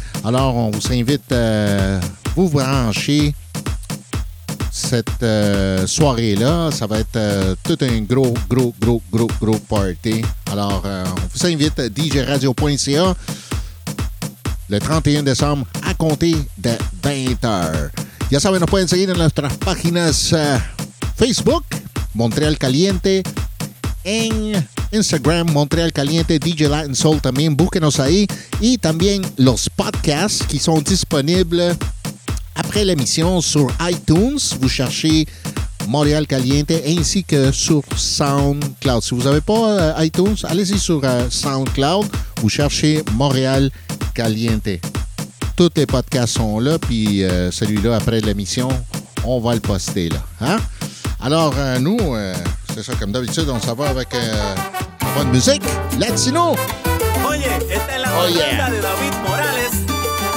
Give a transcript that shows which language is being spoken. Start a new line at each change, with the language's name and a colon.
French: Alors, on vous invite à vous brancher cette soirée-là. Ça va être tout un gros party. Alors, on vous invite à DJRadio.ca. Le 31 décembre, à compter de 20h.
Spanish: Ya saben, nos pueden seguir en nuestras páginas Facebook, Montreal Caliente, en Instagram, Montreal Caliente, DJ Latin Soul también, búsquenos ahí. Y también los
French: podcasts qui sont disponibles après l'émission sur iTunes. Vous cherchez Montreal Caliente ainsi que sur SoundCloud. Si vous n'avez pas iTunes, allez-y sur SoundCloud. Vous cherchez Montréal Caliente. Tous les podcasts sont là, puis celui-là, après l'émission, on va le poster là. Hein? Alors, nous, c'est ça, comme d'habitude, on s'en va avec bonne musique latino.
Spanish: Oye, esta es la banda de David Morales.